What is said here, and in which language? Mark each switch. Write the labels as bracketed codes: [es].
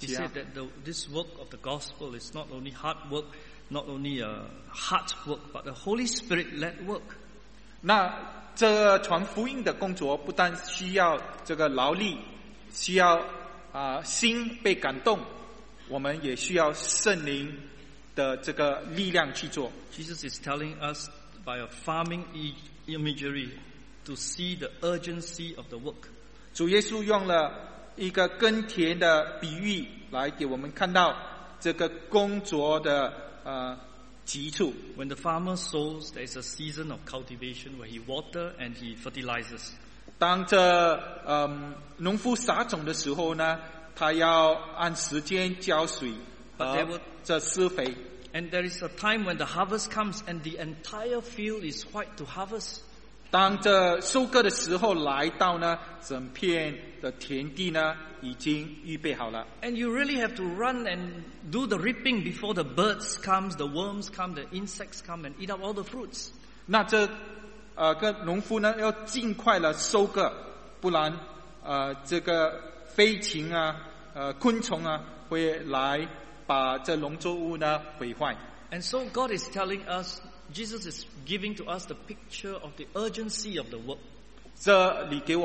[en] He said that this work of the gospel is not only hard work, not only a heart work, but a Holy Spirit led work. [zh] 那这传福音的工作不但需要这个劳力，需要心被感动。我们也需要圣灵的这个力量去做。Jesus [en] is telling us by a farming imagery to see the urgency of the work. [zh] 主耶稣用了一个耕田的比喻来给我们看到这个工作的急促。When [en] the farmer sows, there is a season of cultivation where he waters and he fertilizes. [zh] 当这农夫撒种的时候呢， 他要按时间浇水和施肥。 [en] And there is a time when the harvest comes and the entire field is white to harvest. [zh] 当这收割的时候来到呢， 整片的田地呢， 已经预备好了。 [en] And you really have to run and do the reaping before the birds come, the worms come, the insects come and eat up all the fruits. [zh] 那这个农夫呢， 要尽快的收割， 不然这个飞禽啊， 昆虫啊，会来把这农作物呢毁坏。 [en] And so God is telling us, Jesus is giving to us the picture of the urgency of the work.